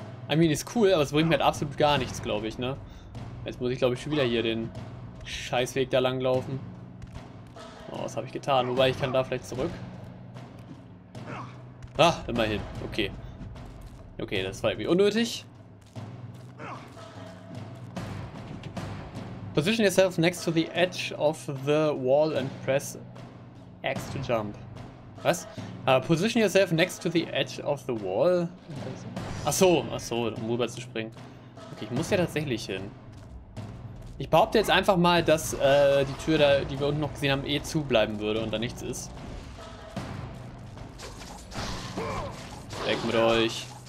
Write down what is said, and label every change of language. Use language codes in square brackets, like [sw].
[en] I mean, [de] ist cool, aber es bringt mir halt absolut gar nichts, glaube ich, ne? Jetzt muss ich, glaube ich, schon wieder hier den Scheißweg da lang laufen. Oh, was habe ich getan? Wobei, ich kann da vielleicht zurück. Ah, immerhin. Okay. Okay, das war irgendwie unnötig. [en] Position yourself next to the edge of the wall and press X to jump. [de] Was? [en] Position yourself next to the edge of the wall. [de] Ach so, um rüber zu springen. Okay, ich muss ja tatsächlich hin. Ich behaupte jetzt einfach mal, dass die Tür da, die wir unten noch gesehen haben, eh zubleiben würde und da nichts ist. Weg mit euch.